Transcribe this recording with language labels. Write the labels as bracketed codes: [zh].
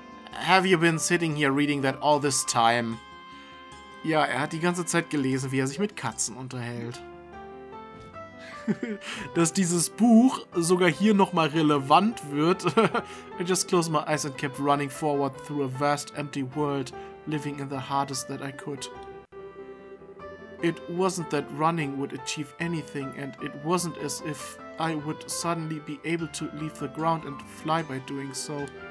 [en] Have you been sitting here reading that all this time? [de] Ja, er hat die ganze Zeit gelesen, wie er sich mit Katzen unterhält. Dass dieses Buch sogar hier nochmal relevant wird. [en] I just closed my eyes and kept running forward through a vast empty world, living in the hardest that I could. It wasn't that running would achieve anything, and it wasn't as if I would suddenly be able to leave the ground and fly by doing so.